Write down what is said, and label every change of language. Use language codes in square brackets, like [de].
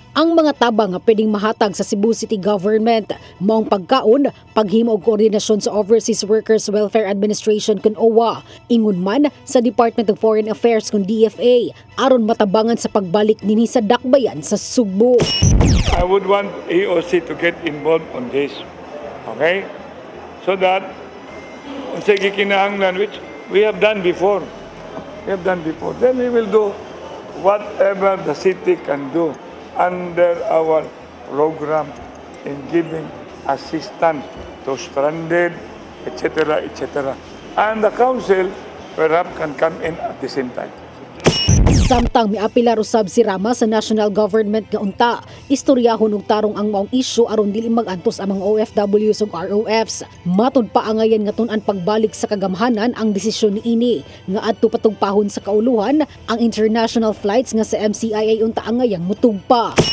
[ceb] Ang mga tabang nga pwedeng mahatag sa Cebu City Government mao ang pagkaon, paghimo og koordinasyon sa Overseas Workers Welfare Administration kun OWA, ingon man sa Department of Foreign Affairs kun DFA aron matabangan sa pagbalik nini sa dakbayan sa Sugbo. [en] I would want AOC to get involved on this. Okay? So that [ceb] sa gikinahanglan [en] which we have done before. Then we will do whatever the city can do under our program in giving assistance to stranded, etc., etc. And the council perhaps can come in at the same time. [ceb] Samtang miapila rusab si Rama sa national government nga unta, istoryahon og tarong ang maong isyu aron dili magantos ang mga OFWs ug ROFs. Matud pa angayan nga tun-an pagbalik sa kagamhanan ang desisyon niini nga adto patugpahon sa kauluhan ang international flights nga sa MCIA unta angayang mutugpa.